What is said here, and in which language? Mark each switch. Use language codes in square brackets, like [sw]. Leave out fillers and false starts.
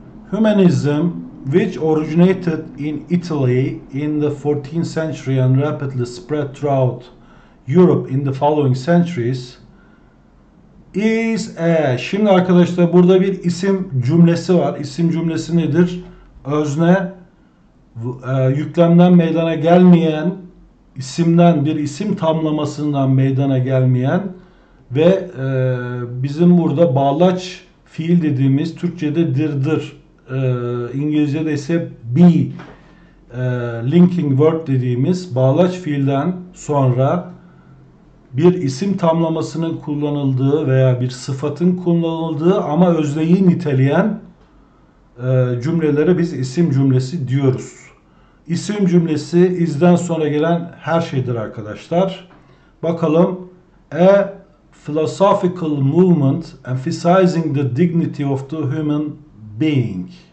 [en] Humanism, which originated in Italy in the 14th century and rapidly spread throughout Europe in the following centuries, is a. [tr] Şimdi arkadaşlar burada bir isim cümlesi var. İsim cümlesi nedir? Özne yüklemden meydana gelmeyen isimden bir isim tamlamasından meydana gelmeyen ve bizim burada bağlaç fiil dediğimiz Türkçe'de dirdir, İngilizce'de ise be, linking word dediğimiz bağlaç fiilden sonra bir isim tamlamasının kullanıldığı veya bir sıfatın kullanıldığı ama özneyi niteleyen cümlelere biz isim cümlesi diyoruz. İsim cümlesi is'den sonra gelen her şeydir arkadaşlar. Bakalım. [en] A philosophical movement emphasizing the dignity of the human being.